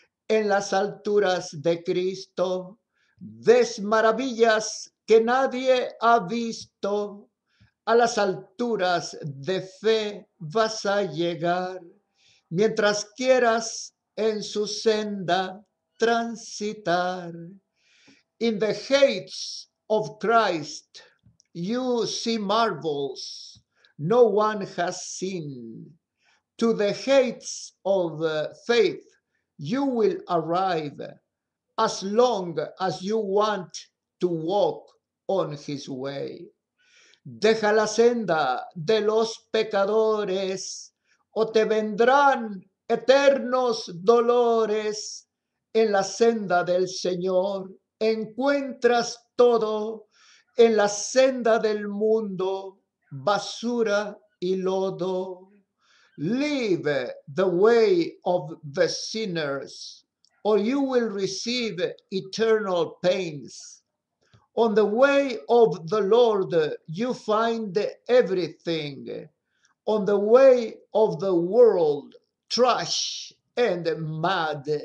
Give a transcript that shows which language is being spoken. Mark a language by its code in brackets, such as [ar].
[es] En las alturas de Cristo, ves maravillas que nadie ha visto. A las alturas de fe vas a llegar mientras quieras en su senda transitar. [en] In the gates of Christ, you see marvels no one has seen. To the gates of faith, you will arrive as long as you want to walk on his way. [es] Deja la senda de los pecadores, o te vendrán eternos dolores. En la senda del Señor encuentras todo. En la senda del mundo, basura y lodo. [en] Leave the way of the sinners, or you will receive eternal pains. On the way of the Lord, you find everything. On the way of the world, trash and mud.